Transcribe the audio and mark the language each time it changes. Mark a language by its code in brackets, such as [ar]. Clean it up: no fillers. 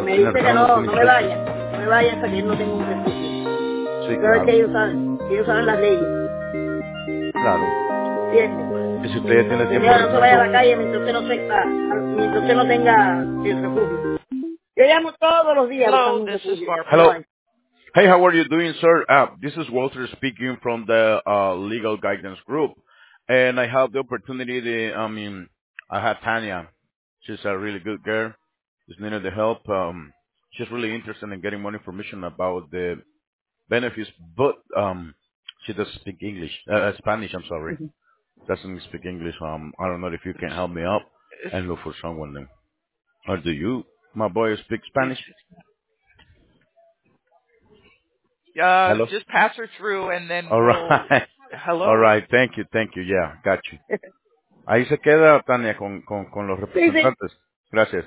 [es] y me dice que no me vaya hasta que él no tenga un refugio. Sí, claro. Que ellos saben las leyes. Claro. Bien. Y si usted ya tiene tiempo... Señora, no se vaya a la calle mientras usted no tenga el refugio. Yo llamo todos los días. [en] Hello, this is Mark. Hello. Hey, how are you doing, sir? This is Walter speaking from the Legal Guidance Group, and I have the opportunity to, I have Tanya. She's a really good girl. She's needed the help. She's really interested in getting more information about the benefits, but she doesn't speak English. Spanish, I'm sorry. Doesn't speak English. I don't know if you can help me up and look for someone then. Or do you, my boy, speak Spanish? Hello? Just pass her through and then... All right. Hello? All right. Thank you. Yeah, got you. [es] Ahí se queda, Tania, con los representantes. Gracias.